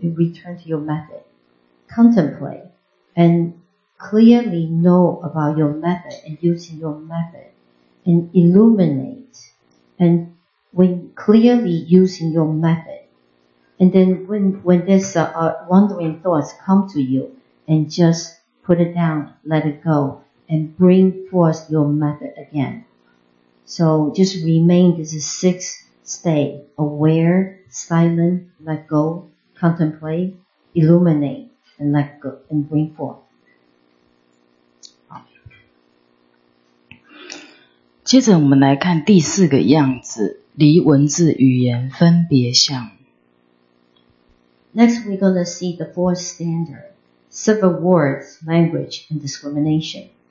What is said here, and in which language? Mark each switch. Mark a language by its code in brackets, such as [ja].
[en] You return to your method. Contemplate, andClearly know about your method and using your method and illuminate and when clearly using your method and then when this wandering thoughts come to you and just put it down, let it go and bring forth your method again. So just remain this six state, aware, silent, let go, contemplate, illuminate and let go and bring forth. [zh] 接着我们来看第四个样子，离文字语言分别相。 [en] Next, we're going to see the fourth standard, civil words, language, and discrimination.